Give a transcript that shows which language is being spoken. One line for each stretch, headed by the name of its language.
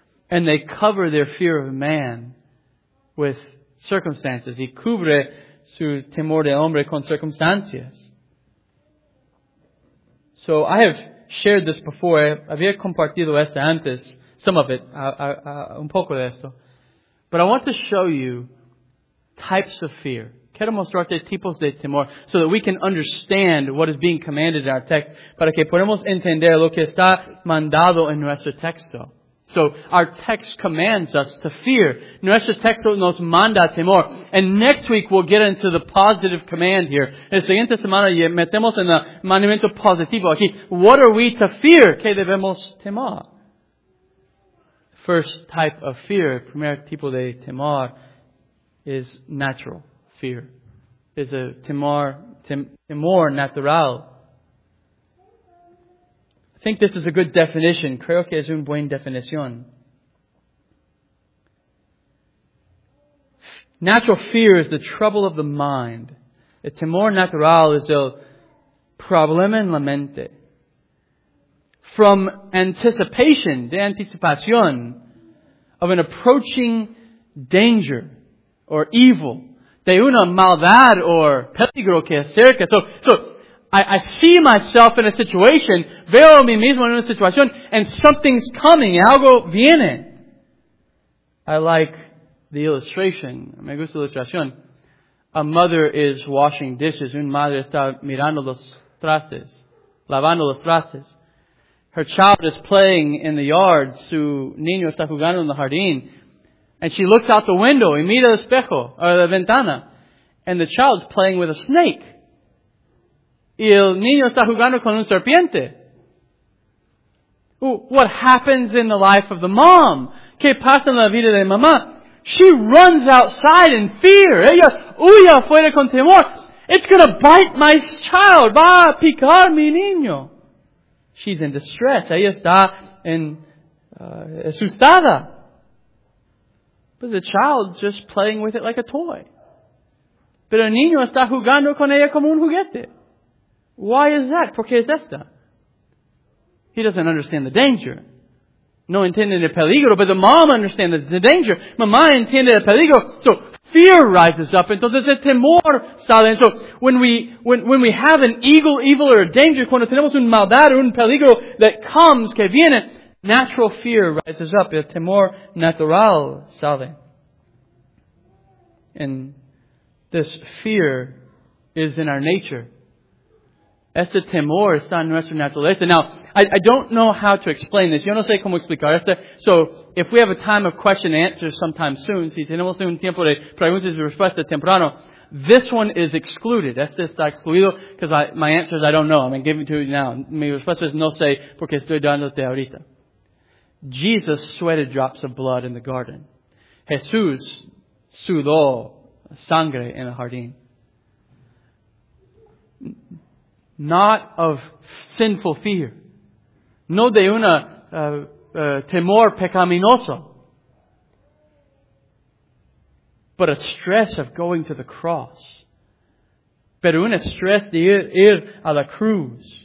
English: And they cover their fear of man with circumstances.
Spanish: Y cubre su temor de hombre con circunstancias.
English: So I have shared this before.
Spanish: Había compartido esto antes.
English: Some of it.
Spanish: Un poco de esto.
English: But I want to show you types of fear.
Spanish: Quiero mostrarte tipos de temor.
English: So that we can understand what is being commanded in our text.
Spanish: Para que podamos entender lo que está mandado en nuestro texto.
English: So our text commands us to fear.
Spanish: Nuestro texto nos manda temor.
English: And next week we'll get into the positive command here.
Spanish: El siguiente semana metemos en el mandamiento positivo aquí.
English: What are we to fear?
Spanish: ¿Qué debemos temor?
English: First type of fear,
Spanish: primer tipo de temor,
English: is natural fear.
Spanish: Is a temor natural.
English: I think this is a good definition.
Spanish: Creo que es una buena definición.
English: Natural fear is the trouble of the mind.
Spanish: El temor natural es el problema en la mente.
English: From anticipation,
Spanish: de anticipación,
English: of an approaching danger or evil.
Spanish: De una maldad or peligro que acerca.
English: So I see myself in a situation,
Spanish: veo a mí mismo en una situación,
English: and something's coming,
Spanish: algo viene.
English: I like the illustration,
Spanish: me gusta la ilustración.
English: A mother is washing dishes,
Spanish: una madre está mirando los trastes, lavando los trastes.
English: Her child is playing in the yard,
Spanish: su niño está jugando en el jardín,
English: and she looks out the window
Spanish: y mira el espejo,
English: or
Spanish: la ventana,
English: and the child's playing with a snake.
Spanish: Y el niño está jugando con un serpiente.
English: What happens in the life of the mom?
Spanish: ¿Qué pasa en la vida de mamá?
English: She runs outside in fear.
Spanish: Ella huye afuera con temor.
English: It's going to bite my child.
Spanish: Va a picar mi niño.
English: She's in distress.
Spanish: Ella está en asustada.
English: But the child's just playing with it like a toy.
Spanish: Pero el niño está jugando con ella como un juguete.
English: Why is that?
Spanish: ¿Por qué es esta?
English: He doesn't understand the danger.
Spanish: No entiende el peligro,
English: but the mom understands the danger.
Spanish: Mamá entiende el peligro.
English: So fear rises up.
Spanish: Entonces el temor sale.
English: So when we have an evil or a danger,
Spanish: cuando tenemos un maldad o un peligro
English: that comes,
Spanish: que viene,
English: natural fear rises up.
Spanish: El temor natural sale.
English: And this fear is in our nature.
Spanish: Este temor está en nuestra naturaleza.
English: Now, I don't know how to explain this.
Spanish: Yo no sé cómo explicar esto.
English: So, if we have a time of question and answer sometime soon,
Spanish: si tenemos un tiempo de preguntas y respuestas temprano,
English: this one is excluded.
Spanish: Este está excluido
English: because my answer is I don't know. I'm giving it to you now.
Spanish: Mi respuesta es no sé porque estoy dándote ahorita.
English: Jesus sweated drops of blood in the garden.
Spanish: Jesús sudó sangre en el jardín.
English: Not of sinful fear.
Spanish: No de una temor pecaminoso.
English: But a stress of going to the cross.
Spanish: Pero un estrés de ir a la cruz.